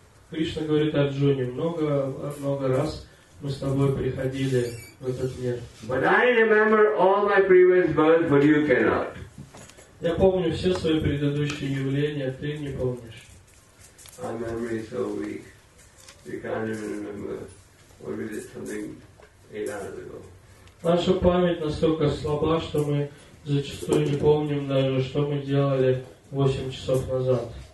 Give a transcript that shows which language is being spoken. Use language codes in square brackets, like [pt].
[ru] Кришна говорит Арджуне, много раз мы с тобой приходили. [en] But I remember all my previous births, but you cannot. [ru] Я помню все свои предыдущие явления, ты не помнишь. [en] Our memory is so weak. We can't even remember what we did something 8 hours ago. [ru] Наша память настолько слаба, что мы зачастую не помним даже, что мы делали 8 часов назад.